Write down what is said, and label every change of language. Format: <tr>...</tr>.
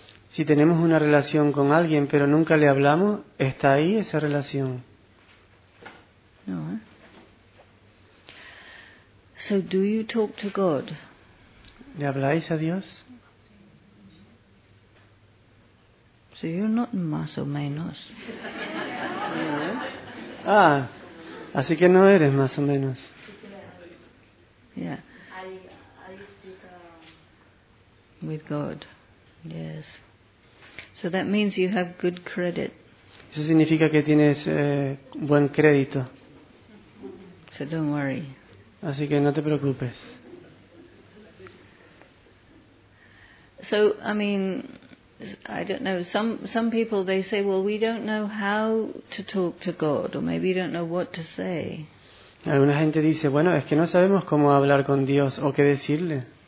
<es>Si tenemos una relación con alguien, pero nunca le hablamos, ¿está ahí esa relación? No.</es> <en>So, do you talk to God?</en> <es>¿Le habláis a Dios?</es> <en>So you're not</en> <es>más o menos. Ah, así que no eres más o menos.</es> <en>Yeah. I speak with God. Yes. So that means you have good credit.</en> <es>Eso significa que tienes buen crédito.</es> <en>So don't worry.</en> <es>Así que no te preocupes.</es> <en>So, I mean, I don't know, some people they say, well, we don't know how to talk to God, or maybe we don't know what to say.</en> <es>Alguna gente dice, bueno, es que no sabemos cómo hablar con Dios o qué decirle.</es>